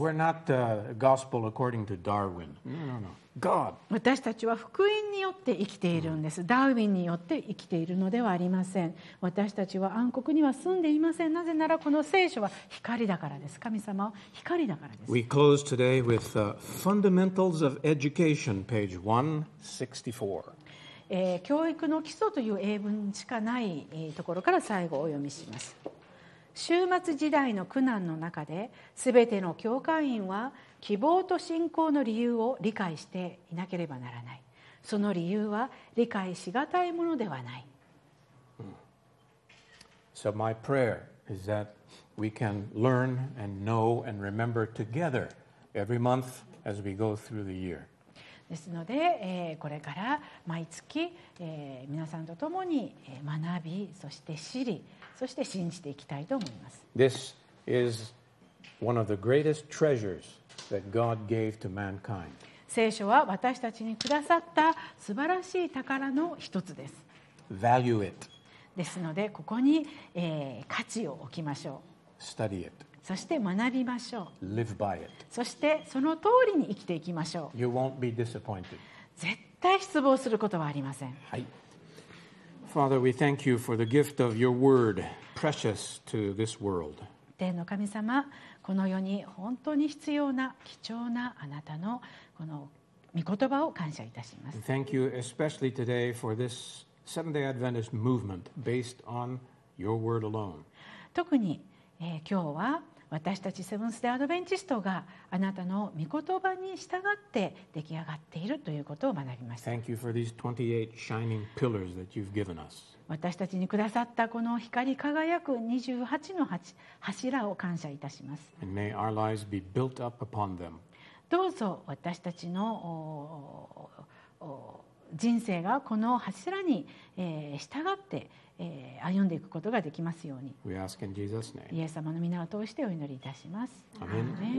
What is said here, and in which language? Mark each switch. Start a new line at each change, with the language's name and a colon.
English: We're not the gospel according to Darwin. No. God.
Japanese: 私たちは福音によって生きているんです。ダーウィンによって生きているのではありません。私たちは暗黒には住んでいません。なぜならこの聖書は光だからです。神様は光だからです。
English: We close today with Fundamentals of Education, page 164.
Japanese: 教育の基礎という英文しかないところから最後お読みします。終末時代の苦難の中で、すべての教会員は希望と信仰の理由を理解していなければならない。その理由は理解しがたいものではない。
English: So my prayer is that we can learn and know and remember together every month as we go through the year.
Japanese: ですので、これから毎月、皆さんと共に学び、そして知り、そして信じていきたいと思います。
English: This is one of the greatest treasures that God gave to mankind.
Japanese: 聖書は私たちにくださった素晴らしい宝の一つです。
English: Value it.
Japanese: ですので、ここに、価値を置きましょう。
English: Study it.
Japanese: そして学びましょう。
English: Live by it.
Japanese: そしてその通りに生きていきましょう。
English: You won't be disappointed.
Japanese: 絶対失望することはありません。はい。
English: Father, we thank you for the gift of your word, precious to this world.
Japanese: 天の神様、この世に本当に必要な貴重なあなたのこの御言葉を感謝いたします。
English: Thank you especially today for this Seventh-day Adventist movement based on your word alone.
Japanese: 特に今日は私たちセブンス・デイ・アドベンチストがあなたの御言葉に従って出来上がっているということを学びました。
English: Thank you for these 28 shining pillars that you've given us.
Japanese: 私たちにくださったこの光り輝く28の柱を感謝いたします。
English: And may our lives be built up upon them.
Japanese: どうぞ私たちの人生がこの柱に従って歩んでいくことができますように。
English: We ask in Jesus' name.
Japanese: イエス様の御名を通してお祈りいたします。アメン。